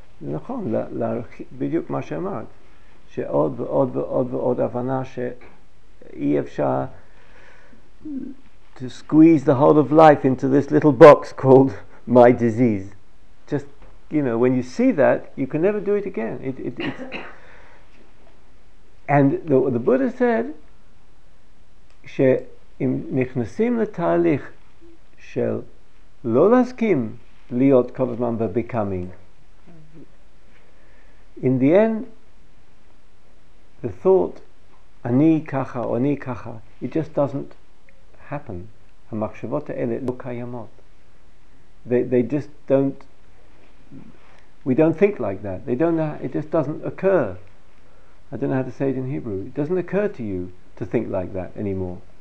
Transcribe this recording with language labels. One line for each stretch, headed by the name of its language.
Hebrew: נכון, בדיוק מה שאמרת, שעוד ועוד ועוד ועוד הבנה שאי אפשר
English: to squeeze the whole of life into this little box called my disease. Just, you know, when you see that, you can never do it again. And the Buddha said
Hebrew: שאם נכנסים לתהליך של לא להסכים להיות כל הזמן ב-becoming,
English: in the end, the thought,
Hebrew: אני ככה או אני ככה,
English: it just doesn't happen.
Hebrew: המחשבות האלה לא קיימות.
English: They just don't, we don't think like that. They don't, it just doesn't occur. I don't know how to say it in Hebrew. It doesn't occur to you to think like that anymore.